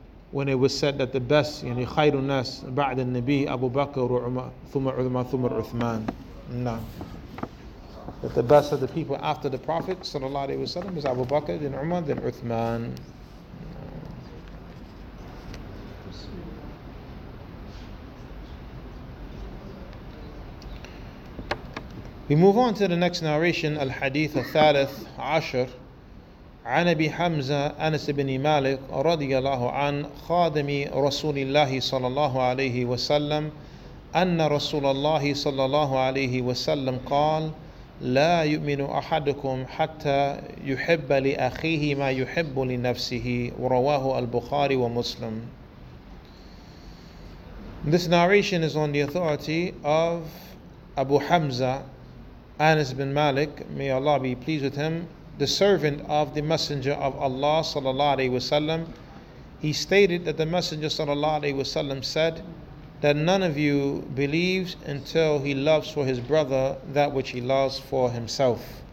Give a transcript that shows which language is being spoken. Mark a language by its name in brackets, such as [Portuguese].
[English] When it was said that the best, you know, [Arabic] خير الناس بعد النبي أبو بكر وعمر ثم عثمان ثم عثمان. [English] No. That the best of the people after the Prophet sallallahu alaihi wasallam is Abu Bakr, then Umar, then Uthman. We move on to the next narration, [Arabic] al-hadith al-thalith ashar. عن أبي حمزة أنس بن مالك رضي الله عن خادم رسول الله صلى الله عليه وسلم أن رسول الله صلى الله عليه وسلم قال لا يؤمن أحدكم حتى يحب لأخيه ما يحب لنفسه ورواه البخاري ومسلم. [English] This narration is on the authority of Abu Hamza Anas bin Malik, may Allah be pleased with him, the servant of the Messenger of Allah sallallahu alaihi wasallam. He stated that the Messenger sallallahu alaihi wasallam said that none of you believes until he loves for his brother that which he loves for himself.